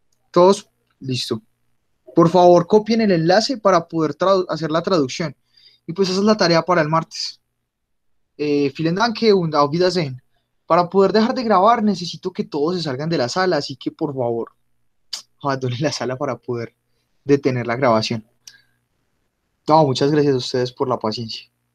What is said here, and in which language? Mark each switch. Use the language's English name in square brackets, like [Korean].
[Spanish] Todos, listo. Por favor, copien el enlace para poder hacer la traducción. Y pues esa es la tarea para el martes. [German] Vielen Dank und auf Wiedersehen. [Spanish] Para poder dejar de grabar, necesito que todos se salgan de la sala, así que por favor, abandonen la sala para poder detener la grabación. No, muchas gracias a ustedes por la paciencia.